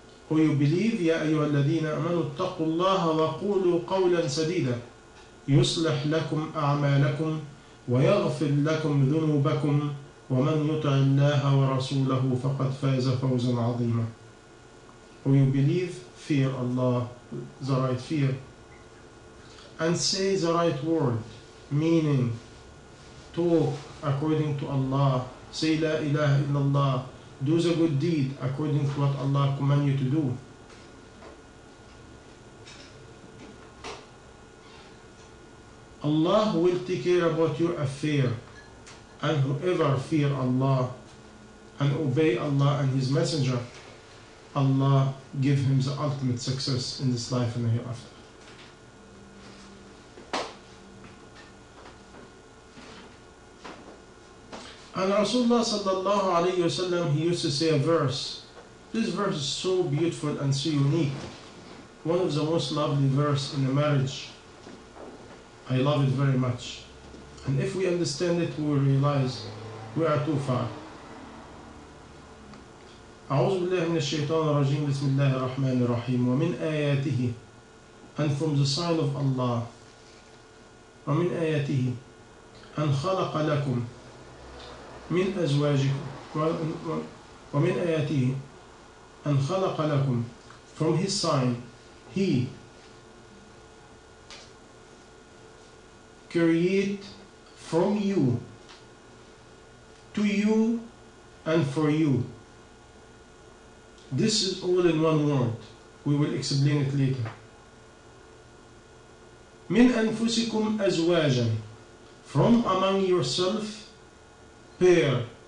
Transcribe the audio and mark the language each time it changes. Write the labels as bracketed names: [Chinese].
[English] We believe, [Arabic] يا أيها الذين آمنوا اتقوا الله وقولوا قولا سديدا يصلح لكم أعمالكم ويغفر لكم ذنوبكم ومن يطع الله ورسوله فقد فاز فوزا عظيما. [English] Or you believe, fear Allah, the right fear, and say the right word, meaning talk according to Allah, say La ilaha illallah, do the good deed according to what Allah command you to do. Allah will take care about your affair, and whoever fear Allah and obey Allah and His Messenger, Allah give him the ultimate success in this life and the hereafter. And Rasulullah sallallahu alayhi wa sallam, he used to say a verse. This verse is so beautiful and so unique. One of the most lovely verse in a marriage. I love it very much. And if we understand it, we will realize we are too far. [Arabic] أعوذ بالله من الشيطان الرجيم بسم الله الرحمن الرحيم ومن آياته [English] and from the sign of Allah [Arabic] ومن آياته أن خلق لكم من أزواجكم ومن آياته أن خلق لكم [English] from his sign he create from you to you and for you. This is all in one word. We will explain it later. [Arabic] مِنْ أَنفُسِكُمْ أَزْوَاجًا [English] From among yourself, pair.